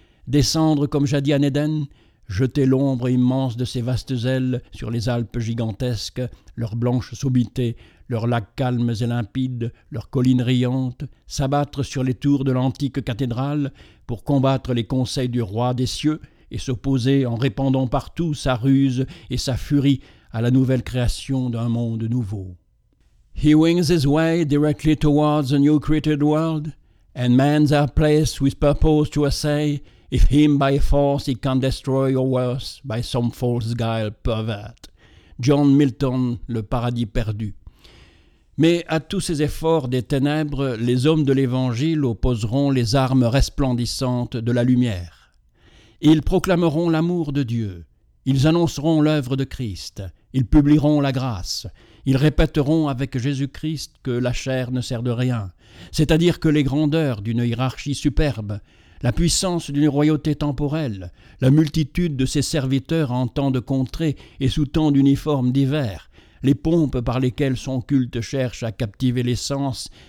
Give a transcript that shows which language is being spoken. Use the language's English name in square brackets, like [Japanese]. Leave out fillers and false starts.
[French] descendre comme jadis en Éden, jeter l'ombre immense de ses vastes ailes sur les Alpes gigantesques, leurs blanches sommités, leurs lacs calmes et limpides, leurs collines riantes, s'abattre sur les tours de l'antique cathédrale pour combattre les conseils du roi des cieux et s'opposer en répandant partout sa ruse et sa furie à la nouvelle création d'un monde nouveau. [English] He wings his way directly towards a new created world, and mans are placed with purpose to essay if him by force he can destroy or worse by some false guile pervert. [French] John Milton, Le Paradis perdu. Mais à tous ces efforts des ténèbres, les hommes de l'Évangile opposeront les armes resplendissantes de la lumière. Ils proclameront l'amour de Dieu. Ils annonceront l'œuvre de Christ. Ils publieront la grâce. Ils répéteront avec Jésus-Christ que la chair ne sert de rien, c'est-à-dire que les grandeurs d'une hiérarchie superbe, la puissance d'une royauté temporelle, la multitude de ses serviteurs en temps de contrée et sous temps d'uniformes divers, les pompes par lesquelles son culte cherche à captiver les sens,